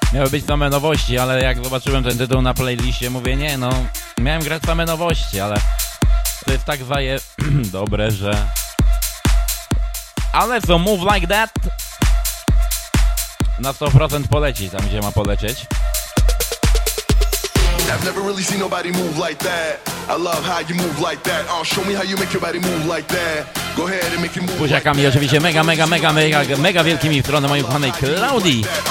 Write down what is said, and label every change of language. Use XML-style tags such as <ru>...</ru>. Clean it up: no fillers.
<pl>Być same nowości, ale jak zobaczyłem ten tytuł na playliście, mówię, nie, no miałem grać same nowości, ale to jest tak zaje... dobre, że... Ale co, Move Like That? Na 100% poleci tam, gdzie ma polecieć.</pl> <en>I've never really seen nobody move like that. I love how you move like that. Oh, show me how you make your body move like that. Go ahead and make it move.</en> <pl>Buziakami oczywiście mega wielkimi w stronę mojej kochanej Claudii.</pl>